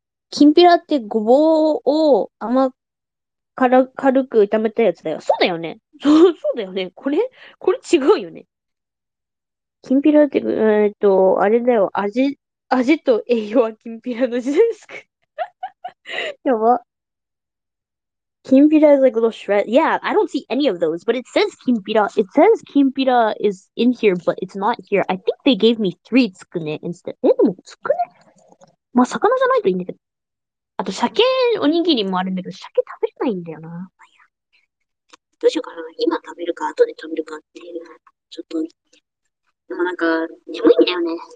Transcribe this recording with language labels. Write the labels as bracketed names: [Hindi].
[Japanese] きんぴらってごぼうを軽く炒めたやつだよ。そうだよね。そうだよね。これ違うよね。きんぴらって、あれだよ。味と栄養はきんぴらの字です。 [English] やば。きんぴら is like a little shred. Yeah, I don't see any of those, but it says きんぴら。 It says きんぴら is in here, but it's not here. I think they gave me three つくね instead. [Japanese] え、でもつくね？まあ、魚じゃないといいんだけど。あと、鮭おにぎりもあるんだけど、鮭食べれないんだよな。どうしようかな。今食べるか、後で食べるかっていう。ちょっと。でもなんか、眠いんだよね。